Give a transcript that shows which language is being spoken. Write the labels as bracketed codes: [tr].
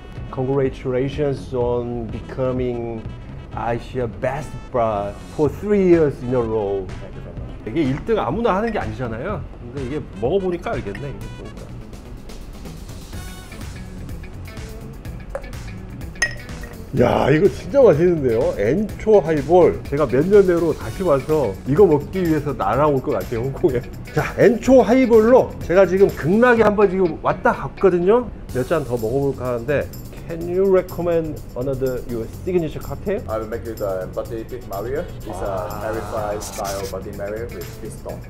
[en] Congratulations on becoming Asia best bar for 3 years in a row. [ko] 이게 1등 아무나 하는 게 아니잖아요. 근데 이게 먹어보니까 알겠네. 야, 이거 진짜 맛있는데요? 엔초 하이볼. 제가 몇 년 내로 다시 와서 이거 먹기 위해서 날아올 것 같아요, 홍콩에. 자, 엔초 하이볼로 제가 지금 극락에 한번 지금 왔다 갔거든요? 몇 잔 더 먹어볼까 하는데 [en] Can you recommend another your signature cocktail? I will make it a Bloody Big Maria. It's a terrified style Bloody Maria with fish stock.